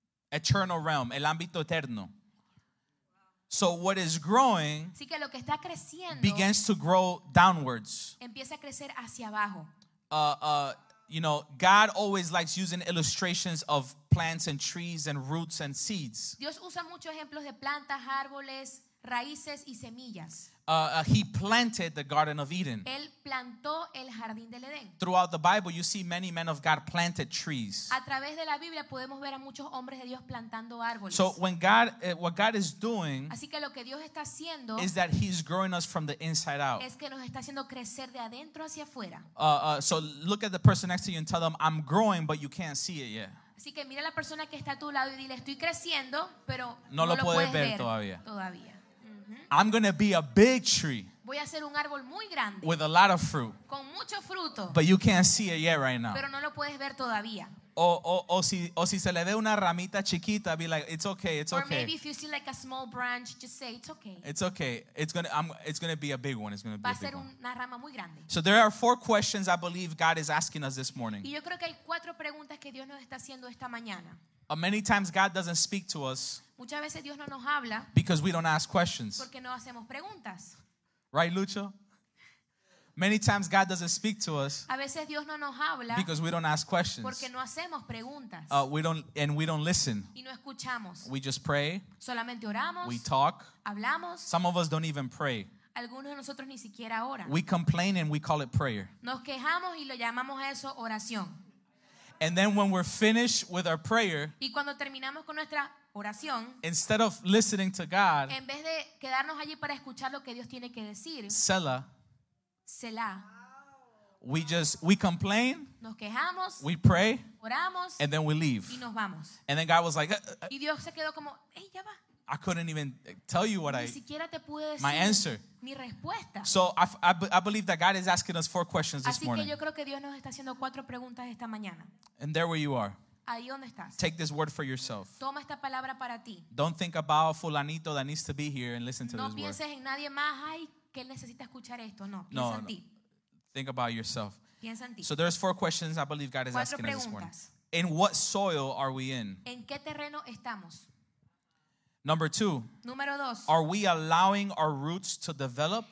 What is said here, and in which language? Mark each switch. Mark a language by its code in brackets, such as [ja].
[en] eternal realm, [es] el ámbito eterno. [en] So what is growing, [es] así que lo que está creciendo, [en] begins to grow downwards, [es] empieza a crecer hacia abajo. [en] You know, God always likes using illustrations of plants and trees and roots and seeds. [es] Dios usa muchos ejemplos de plantas, árboles, raíces y semillas. [en] He planted the Garden of Eden. [es] Él plantó el jardín del Edén. [en] Throughout the Bible, you see many men of God planted trees. [es] A través de la Biblia podemos ver a muchos hombres de Dios plantando árboles. [en] So when God, what God is doing, [es] así que lo que Dios está haciendo, [en] is that He's growing us from the inside out. [es] Es que nos está haciendo crecer de adentro hacia afuera. [en] So look at the person next to you and tell them, "I'm growing, but you can't see it yet." [es] Así que mira a la persona que está a tu lado y dile, "Estoy creciendo, pero no lo puedes ver todavía." [en] I'm going to be a big tree. [es] Voy a ser un árbol muy grande. [en] With a lot of fruit. [es] Con mucho fruto. [en] But you can't see it yet right now. [es] Pero no lo puedes ver todavía. O si se le ve una ramita chiquita, [en] be like, it's okay, it's okay. Or maybe if you see like a small branch, just say, it's okay. It's okay. It's going to be a big one. It's going to be a big one. [es] Va a ser una rama muy grande. [en] So there are four questions I believe God is asking us this morning. [es] Y yo creo que hay cuatro preguntas que Dios nos está haciendo esta mañana. [en] Many times God doesn't speak to us. [es] Muchas veces Dios no nos habla. [en] Because we don't ask questions. [es] Porque no hacemos preguntas. [en] Right, Lucho? Many times God doesn't speak to us. [es] A veces Dios no nos habla. [en] Because we don't ask questions. [es] Porque no hacemos preguntas. [en] We don't listen. [es] Y no escuchamos. [en] We just pray. [es] Solamente oramos. [en] We talk. [es] Hablamos. [en] Some of us don't even pray. [es] Algunos de nosotros ni siquiera oran. [en] We complain and we call it prayer. [es] Nos quejamos y lo llamamos eso oración. [en] And then when we're finished with our prayer, [es] y cuando terminamos con nuestra oración, [en] instead of listening to God, [es] en vez de quedarnos allí para escuchar lo que Dios tiene que decir, [en] Selah, we complain, [es] nos quejamos, [en] we pray, [es] oramos, [en] and then we leave. [es] Y nos vamos. [en] And then God was like, [es] y Dios se quedó como, hey, ya va. [en] I couldn't even tell you what [es] ni siquiera te pude decir [en] my answer. [es] Mi respuesta. [en] So I believe that God is asking us four questions this [es] así que [en] morning. [es] Yo creo que Dios nos está haciendo cuatro preguntas esta mañana. [en] And there where you are. [es] Ahí donde estás. [en] Take this word for yourself. [es] Toma esta palabra para ti. [en] Don't think about fulanito that needs to be here and listen to [es] no [en] this word. [es] No pienses en nadie más, ay, que él necesita escuchar esto. No, piensa en ti. [en] Think about yourself. [es] Piensa en ti. [en] So there's four questions I believe God is [es] cuatro [en] asking [es] preguntas. [en] Us this morning. In what soil are we in? [es] ¿En qué terreno estamos? [en] Number two, [es] número dos, [en] are we allowing our roots to develop?